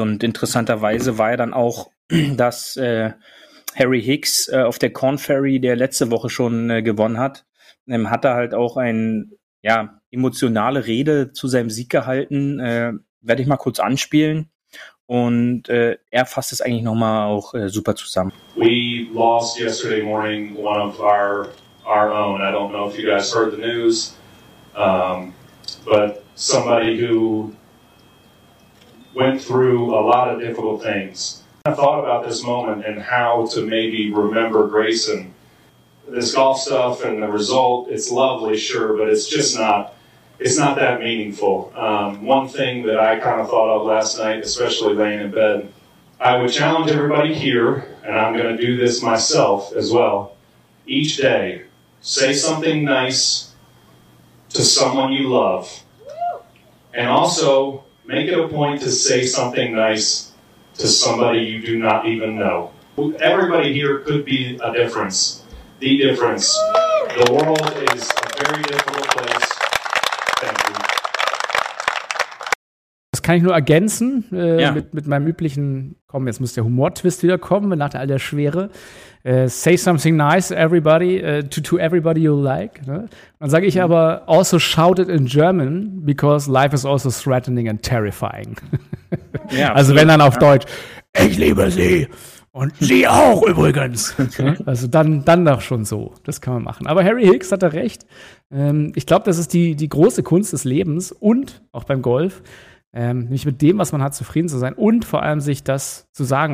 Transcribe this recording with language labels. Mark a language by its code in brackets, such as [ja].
[de] Und interessanterweise war ja dann auch, dass Harry Hicks auf der Corn Ferry, der letzte Woche schon gewonnen hat, hatte halt auch eine emotionale Rede zu seinem Sieg gehalten. Werde ich mal kurz anspielen. Und er fasst es eigentlich nochmal auch super zusammen. [en] We lost yesterday morning one of our own. I don't know if you guys heard the news, but somebody who went through a lot of difficult things. I thought about this moment and how to maybe remember Grayson. This golf stuff and the result, it's lovely, sure, but it's just not, it's not that meaningful. One thing that I kind of thought of last night, especially laying in bed, I would challenge everybody here, and I'm going to do this myself as well, each day, say something nice to someone you love. And also, make it a point to say something nice to somebody you do not even know. Everybody here could be a difference. The difference. The world is a very difficult place. Thank you. [de] Das kann ich nur ergänzen mit meinem üblichen, komm, jetzt muss der Humor-Twist wieder kommen, nach all der Schwere. [en] Say something nice, everybody, to everybody you like. Ne? [de] Dann sage ich aber, also [en] shout it in German, because life is also threatening and terrifying. [de] Ja, also wenn dann auf Deutsch, ich liebe sie und sie auch übrigens. Also dann doch schon so, das kann man machen. Aber Harry Hicks hatte recht. Ich glaube, das ist die große Kunst des Lebens und auch beim Golf, nicht mit dem, was man hat, zufrieden zu sein und vor allem sich das zu sagen.